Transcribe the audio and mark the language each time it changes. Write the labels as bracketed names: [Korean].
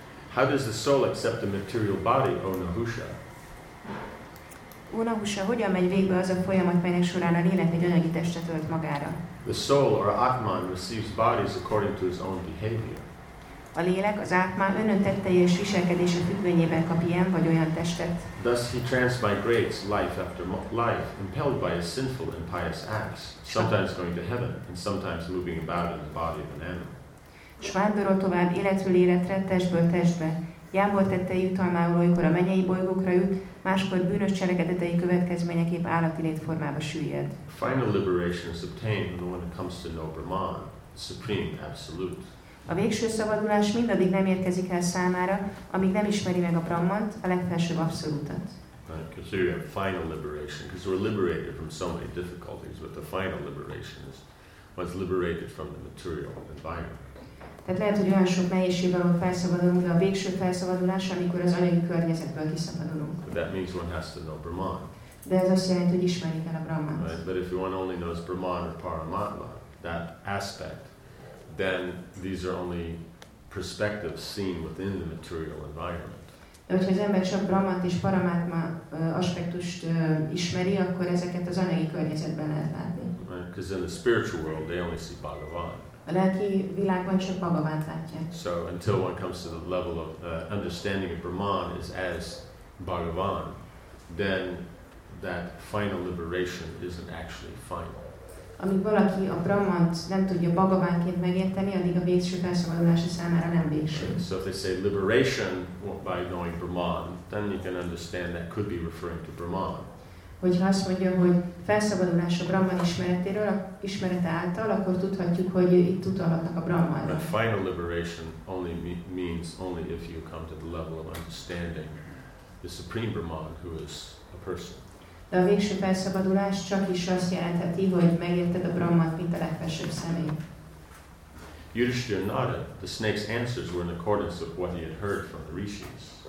[English] How does the soul accept a material body, O Nahusha? [Hungarian] O Nahusha, hogyan megy végbe az a folyamat, melynek során a lélek egy anyagi testet ölt magára? [English] The soul or Atman receives bodies according to his own behavior. [Hungarian] A lélek, az Atman önön tettei és viselkedése függvényében kap ilyen vagy olyan testet. [English] Thus he transmigrates life after life, impelled by his sinful and pious acts, sometimes going to heaven and sometimes moving about in the body of an animal. [Hungarian] S vándorol tovább életről életre, testből testbe. Jámbor tettei jutalmául, olykor a mennyei bolygókra jut, máskor bűnös cselekedetei következményeképp állati létformába süllyed. [English] Final liberation is obtained when one comes to know Brahman, supreme absolute. [Hungarian] A végső szabadulás mindaddig nem érkezik el számára, amíg nem ismeri meg a Brahmant, a legfelsőbb abszolútat. [English] Right, because here you have final liberation, because we're liberated from so many difficulties, but the final liberation is one's liberated from the material environment. [Hungarian] Tehát lehet, hogy olyan sok nehézségben van felszabadulunk, de a végső felszabadulás, amikor az anyagi környezetből kiszabadulunk. [English] That means one has to know Brahman. [Hungarian] De ez azt jelenti, hogy ismerni kell a Brahmant. [English] Right? But if one only knows Brahman or Paramatma, that aspect, then these are only perspectives seen within the material environment. [Hungarian] Hogyha az ember csak Brahmat és Paramatma aspektust ismeri, akkor ezeket az anyagi környezetben lehet látni. [English] Right, because in the spiritual world they only see Bhagavan. [Hungarian] A lelki világban csak Bhagavant látják. [English] So until one comes to the level of understanding of Brahman is as Bhagavan, then that final liberation isn't actually final. [Hungarian] Amíg valaki a Brahmant nem tudja Bhagavanként megérteni, addig a végső felszabadulása számára nem végső. [English] Right. So if they say liberation by knowing Brahman, then you can understand that could be referring to Brahman. [Hungarian] Hogyha azt mondja, hogy felszabadulás a Brahman ismeretéről, ismerete által, akkor tudhatjuk, hogy itt utalhatnak a Brahmanra. [English] But final liberation only means only if you come to the level of understanding the Supreme Brahman, who is a person. [Hungarian] De a végső felszabadulás csak is azt jelentheti, hogy megérted a Brahmant, mint a legfelsőbb személy. [English] Yudhishthira nodded. The snake's answers were in accordance with what he had heard from the rishis.